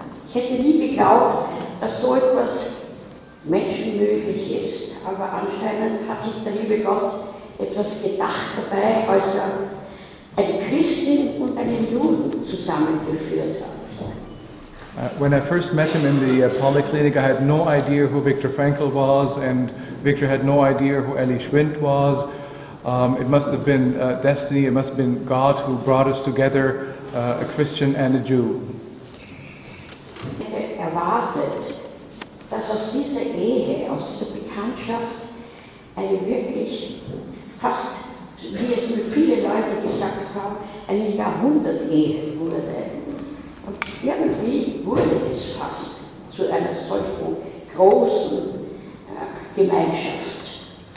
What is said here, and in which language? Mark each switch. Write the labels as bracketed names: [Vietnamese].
[German] Ich hätte nie geglaubt, dass so etwas Menschen möglich ist, aber anscheinend hat sich der liebe Gott etwas gedacht dabei, als er eine Christin und einen Juden zusammengeführt hat. [English] When I first met him in the polyclinic, I had no idea who Viktor Frankl was, and Viktor had no idea who Elly Schwint was. It must have been destiny, it must have been God who brought us together, a Christian and a Jew. [German] Ich hätte erwartet, dass aus dieser Ehe, aus dieser Bekanntschaft, eine wirklich fast, wie es mir viele Leute gesagt haben, eine Jahrhundert-Ehe wurde. Und irgendwie wurde es fast zu einer solchen großen Gemeinschaft.